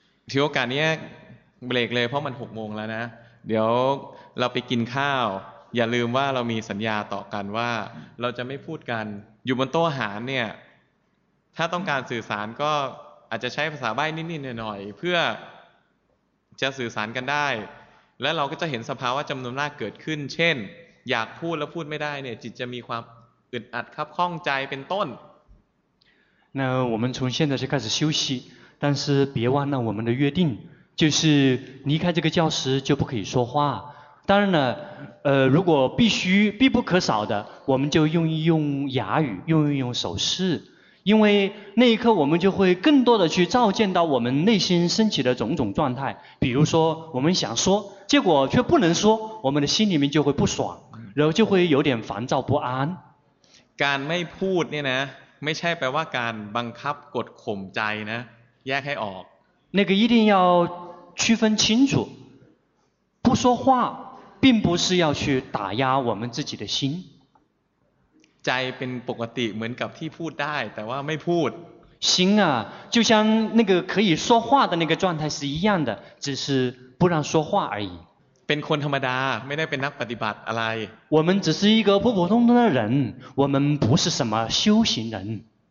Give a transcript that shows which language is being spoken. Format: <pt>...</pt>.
<th>ถือโอกาสนี้เบรกเลยเพราะมัน6โมงแล้วนะเดี๋ยวเราไปกินข้าวอย่าลืมว่าเรามีสัญญาต่อกันว่าเราจะไม่พูดกันอยู่บนโต๊ะอาหารเนี่ยถ้าต้องการสื่อสารก็อาจจะใช้ภาษาใบ้นิดๆหน่อยๆเพื่อจะสื่อสารกันได้และเราก็จะเห็นสภาวะจำนวนมากเกิดขึ้นเช่นอยากพูดแล้วพูดไม่ได้เนี่ยจิตจะมีความอึดอัดคับข้องใจเป็นต้น</th> <zh>那我们从现在就开始休息但是别忘了我们的约定就是离开这个教室就不可以说话当然了如果必须必不可少的我们就用一用哑语用一用手势因为那一刻我们就会更多的去照见到我们内心升起的种种状态比如说我们想说结果却不能说我们的心里面就会不爽然后就会有点烦躁不安</zh> <th>การไม่พูดเนี่ยนะไม่ใช่แปลว่าการบังคับกดข่มใจนะแยกให้ออก</th> <zh>那个一定要区分清楚不说话并不是要去打压我们自己的心</zh> <th>ใจเป็นปกติเหมือนกับที่พูดได้แต่ว่าไม่พูด</th> <zh>心啊就像那个可以说话的那个状态是一样的只是不让说话而已</zh> <th>เป็นคนธรรมดาไม่ได้เป็นนักปฏิบัติอะไร</th> <zh>我们只是一个普普通通的人我们不是什么修行人</zh>